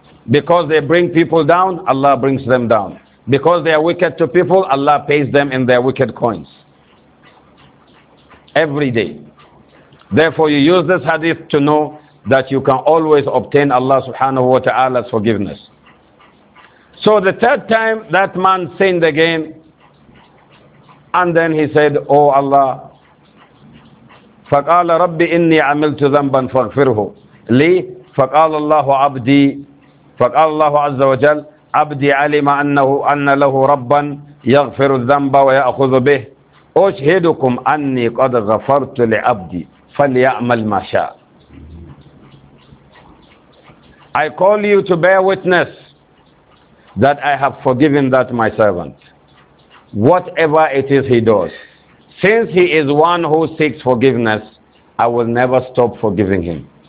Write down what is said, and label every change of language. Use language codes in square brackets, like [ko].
[en] Because they bring people down, Allah brings them down. Because they are wicked to people, Allah pays them in their wicked coins. Every day. Therefore, you use this hadith to know that you can always obtain Allah subhanahu wa ta'ala's forgiveness. So the third time that man sinned again, and then he said, oh Allah, [ar] فَقَالَ رَبِّ إِنِّي عَمِلْتُ ذَنْبًا فَغْفِرْهُ لِي فَقَالَ اللَّهُ عَبْدِي فقال الله عز وجل عبدي علم أنه أن له ربا يغفر الذنب ويأخذ به أشهدكم أني قد غفرت لعبدي فليعمل ما شاء. [en] I call you to bear witness that I have forgiven that my servant, whatever it is he does. Since he is one who seeks forgiveness, I will never stop forgiving him.